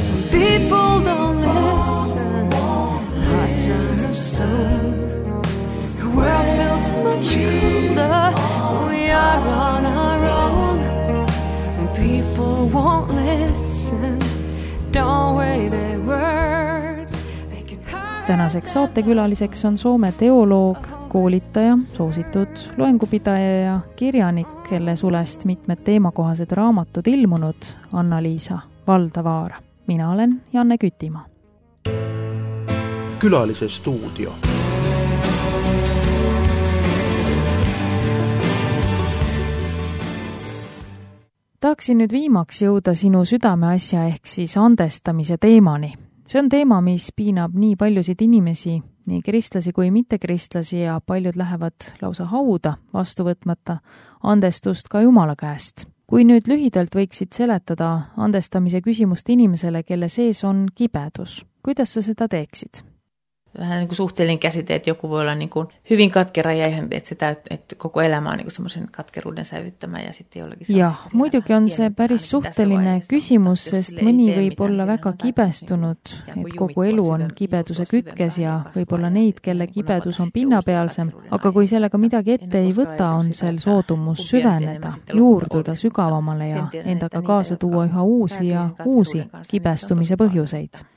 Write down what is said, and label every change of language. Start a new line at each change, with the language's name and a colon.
English: People don't listen, hearts are of stone. The world feels much colder, we are on our own. When people won't listen, don't weigh their words.
Estonian: Tänaseks saatekülaliseks on Soome teoloog, koolitaja, soositud loengupidaja ja kirjanik, kelle sulest mitmed teemakohased raamatud ilmunud, Anna-Liisa Valdavaara. Mina olen Janne Küttima. Külalise stuudio. Tahaksin nüüd viimaks jõuda sinu südame asja ehk siis andestamise teemani. See on teema, mis piinab nii paljusid inimesi, nii kristlasi kui mitte kristlasi, ja paljud lähevad lausa hauda vastuvõtmata andestust ka Jumala käest. Kui nüüd lühidalt võiksid seletada andestamise küsimust inimesele, kelle sees on kibedus, kuidas sa seda teeksid?
Finnish: Vähän niin kuin suhteellinen käsite, että joku voi olla niin kuin hyvin katkera ja ihan, että, sitä, että koko elämä on niin kuin semmoisen katkeruuden sävyttämä ja sitten jollakin saa.
Estonian: Joo, muidugi on se päris suhteellinen kysymys, sest mõni võib olla väga kibestunud, että koko elu on kibeduse kytkes ja võib olla neid, kelle kibedus on pinnapealsem, aga kui sellega midagi ette ei võta, on sel soodumus süveneda, juurduda sügavamale ja endaga kaasa tuua üha uusi ja uusi kibestumise põhjuseid.